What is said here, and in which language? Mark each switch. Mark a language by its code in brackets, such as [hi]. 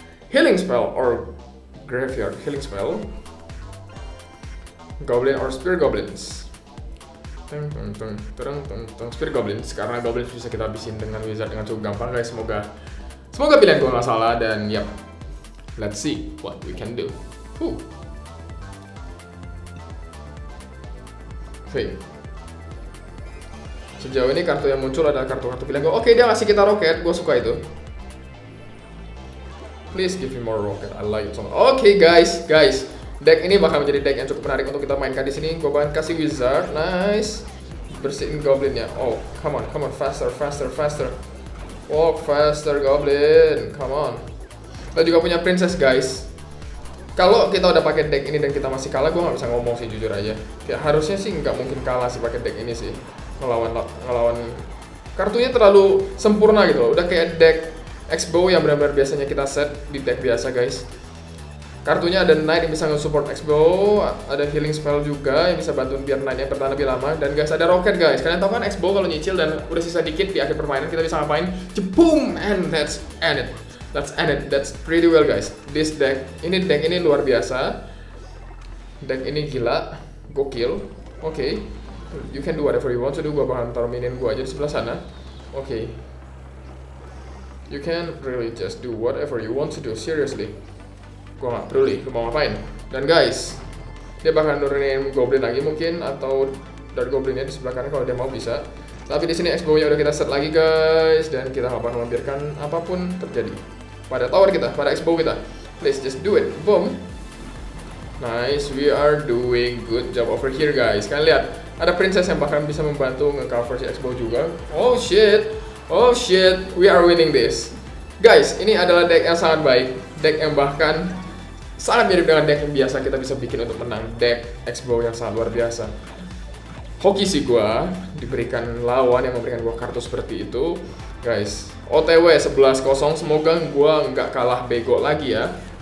[en] Healing Spell or Graveyard? Healing Spell. Goblin or Spear Goblins? [id] Teng teng teng teng teng teng Spear Goblins, karena Goblins bisa kita habisin dengan Wizard dengan cukup gampang, guys. Semoga semoga pilihan gua gak salah, dan yep, [en] let's see what we can do. Okay. [id] Sejauh ini kartu yang muncul adalah kartu-kartu pilihan gua. Oke, dia ngasih kita roket, gua suka itu. [en] Please give me more rocket, I like it so much. Okay, guys, guys, [id] deck ini bakal menjadi deck yang cukup menarik untuk kita mainkan di sini. Gua bakal kasih wizard, nice. Bersihin goblinnya. [en] Oh, come on, come on, faster, faster, faster. Walk faster, goblin. Come on. [id] Kita juga punya princess, guys. Kalau kita udah pakai deck ini dan kita masih kalah, gua nggak bisa ngomong sih, jujur aja. Kayak harusnya sih nggak mungkin kalah sih pakai deck ini sih. Ngelawan kartunya terlalu sempurna gitu loh. Udah kayak deck X-Bow yang benar-benar biasanya kita set di deck biasa, guys. Kartunya ada Knight yang bisa nge-support X-Bow, ada Healing Spell juga yang bisa bantu biar Knight-nya bertahan lebih lama. Dan guys, ada Rocket, guys. Kalian tau kan X-Bow kalau nyicil dan udah sisa dikit di akhir permainan, kita bisa ngapain? Jepum! [en] And that's end it. That's end it. That's pretty well, guys. This deck, [id] ini deck ini luar biasa. Deck ini gila. Gokil. Oke. Okay. [en] You can do whatever you want to do. [id] Gua bakal taruh minion gua aja di sebelah sana. Oke. Okay. [en] You can really just do whatever you want to do. Seriously. [id] Gua gak peduli, lu mau ngapain. Dan guys, dia bakal nurunin goblin lagi mungkin, atau dark goblinnya di sebelah kanan kalau dia mau bisa. Tapi di sini X-Bow-nya udah kita set lagi, guys. Dan kita gak bakal membiarkan apapun terjadi pada tower kita, pada X-Bow kita. [en] Please just do it, boom. Nice, we are doing good job over here, guys. [id] Kalian lihat, ada princess yang bahkan bisa membantu nge-cover si X-Bow juga. [en] Oh shit, oh shit, we are winning this. [id] Guys, ini adalah deck yang sangat baik. Deck yang bahkan sangat mirip dengan deck yang biasa kita bisa bikin untuk menang. Deck X-Bow yang sangat luar biasa. Hoki sih gua diberikan lawan yang memberikan gua kartu seperti itu. Guys, OTW 11-0. Semoga gua nggak kalah bego lagi ya.